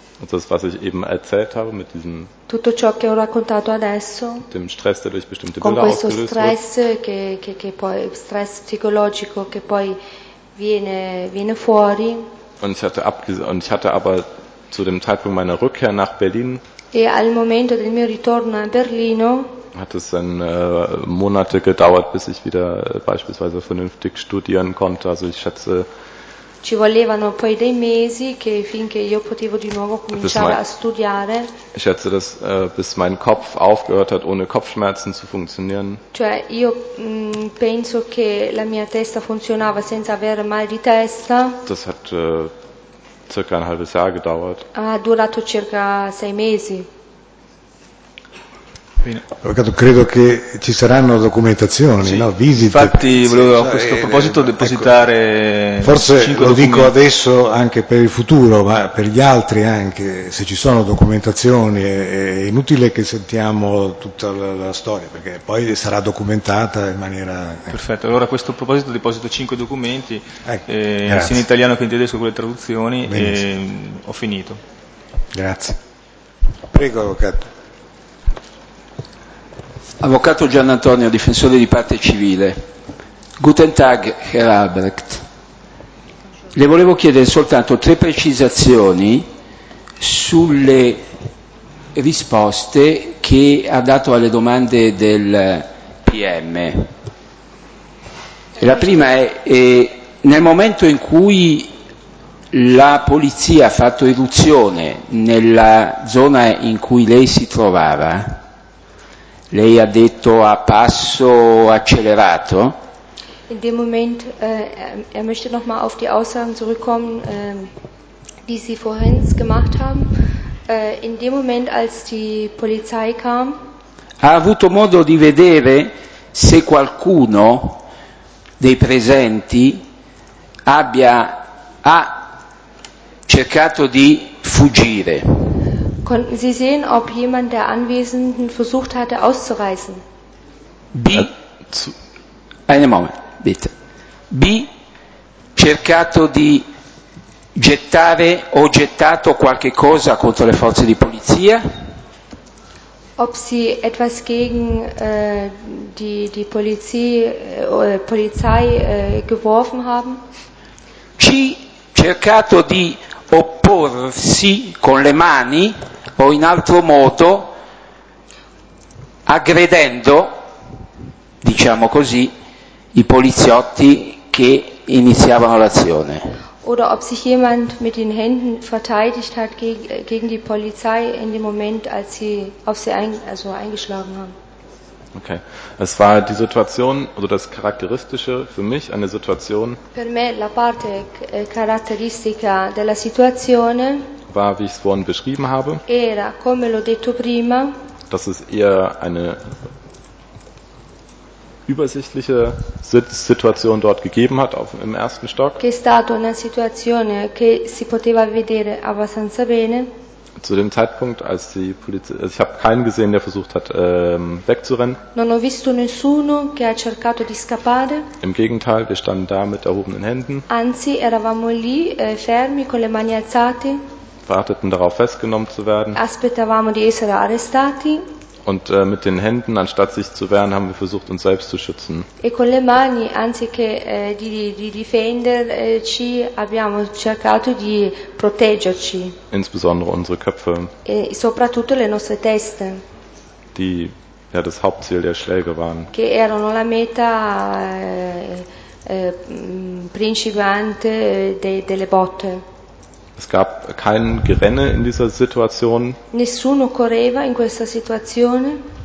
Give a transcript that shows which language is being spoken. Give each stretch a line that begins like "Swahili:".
German: Das, was ich eben erzählt habe mit diesem
Italian: tutto ciò che ho raccontato adesso,
German: dem Stress, der durch bestimmte
Italian: con
German: Bilder
Italian: questo
German: ausgelöst
Italian: stress
German: wird.
Italian: Che poi stress psicologico che poi viene fuori.
German: Und ich hatte aber zu dem Zeitpunkt meiner Rückkehr nach Berlin,
Italian: e al momento del mio ritorno a Berlino,
German: hat es dann Monate gedauert, bis ich wieder beispielsweise vernünftig studieren konnte. Also ich schätze,
Italian: ci volevano poi dei mesi che finché io potevo di nuovo cominciare a studiare.
German: Ich schätze, dass bis mein Kopf aufgehört hat, ohne Kopfschmerzen zu funktionieren.
Italian: Cioè io penso che la mia testa funzionava senza avere mal di testa.
German: Das hat circa ein halbes Jahr gedauert.
Italian: Ha durato circa sei mesi. Avvocato, credo che ci saranno documentazioni, sì, no? Visite. Infatti volevo a questo proposito depositare, ecco, forse lo documenti. Dico adesso anche per il futuro, ma per gli altri anche, se ci sono documentazioni è inutile che sentiamo tutta la storia, perché poi sarà documentata in maniera... Perfetto, allora a questo proposito deposito 5 documenti, ecco, sia in italiano che in tedesco con le traduzioni. Benissimo. E ho finito. Grazie. Prego, avvocato. Avvocato Gian Antonio, difensore di parte civile.
German: Guten Tag, Herr Albrecht.
Italian: Le volevo chiedere soltanto tre precisazioni sulle risposte che ha dato alle domande del PM. La prima è, nel momento in cui la polizia ha fatto irruzione nella zona in cui lei si trovava, lei ha detto a passo accelerato.
German: In dem Moment möchte noch mal auf die Aussagen zurückkommen, die sie vorhin gemacht haben. In dem Moment, als die Polizei kam,
Italian: ha avuto modo di vedere se qualcuno dei presenti ha cercato di fuggire.
German: Konnten Sie sehen, ob jemand der Anwesenden versucht hatte, auszureißen? B. Einen Moment, bitte. B.
Italian: Cercato di gettare o gettato qualche cosa contro le forze di polizia?
German: Ob Sie etwas gegen die Polizei geworfen haben? C.
Italian: Cercato di opporsi con le mani o in altro modo aggredendo, diciamo così, i poliziotti che iniziavano l'azione.
German: Oder ob sich jemand mit den Händen verteidigt hat gegen die Polizei in dem Moment, als sie auf sie eingeschlagen haben. Okay. Es war die Situation, oder das Charakteristische für mich, eine Situation.
Italian: Per me la parte caratteristica della situazione
German: war, wie ich es vorhin beschrieben habe,
Italian: era, come l'ho detto prima,
German: dass es eher eine übersichtliche Sitzsituation dort gegeben hat im ersten Stock.
Italian: Che è stata una situazione che si poteva vedere abbastanza bene.
German: Zu dem Zeitpunkt, als die Polizei, also ich habe keinen gesehen, der versucht hat, wegzurennen.
Italian: Non ho visto nessuno che ha cercato di scappare.
German: Im Gegenteil, wir standen da mit erhobenen Händen.
Italian: Anzi, eravamo lì fermi con le mani alzate.
German: Warteten darauf, festgenommen zu werden.
Italian: Aspettavamo di essere arrestati.
German: Und mit den Händen, anstatt sich zu wehren, haben wir versucht, uns selbst zu schützen.
Italian: E con le mani, anziché di difenderci, abbiamo cercato di proteggerci.
German: Insbesondere unsere Köpfe.
Italian: E soprattutto le nostre teste.
German: Die ja das Hauptziel der Schläge waren.
Italian: Che erano la meta principante delle botte.
German: Es gab kein Gerenne in dieser Situation.
Italian: Nessuno correva in questa situazione.